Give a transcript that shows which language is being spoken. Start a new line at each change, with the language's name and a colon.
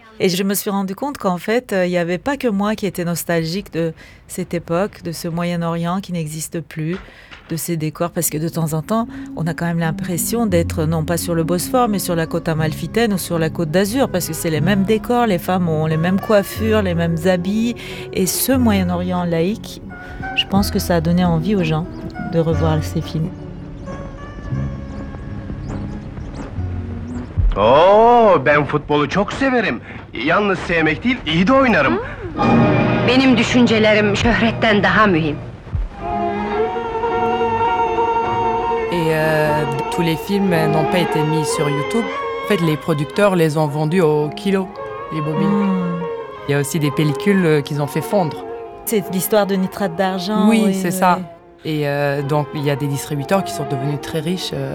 French: Et je me suis rendu compte qu'en fait, il n'y avait pas que moi qui étais nostalgique de cette époque, de ce Moyen-Orient qui n'existe plus, de ces décors, parce que de temps en temps, on a quand même l'impression d'être non pas sur le Bosphore, mais sur la côte amalfitaine ou sur la côte d'Azur, parce que c'est les mêmes décors, les femmes ont les mêmes coiffures, les mêmes habits. Et ce Moyen-Orient laïque, je pense que ça a donné envie aux gens de revoir ces films.
Turkish: Oh, ben futbolu çok severim. Yalnız sevmek değil, iyi de oynarım. Benim düşüncelerim şöhretten daha mühim.
French: Et tous les films n'ont pas été mis sur YouTube. En fait, les producteurs les ont vendus au kilo, les bobines. Il y a aussi des pellicules qu'ils ont fait fondre. C'est l'histoire de nitrate d'argent. Oui, c'est ça. Et donc, il y a des distributeurs qui sont devenus très riches.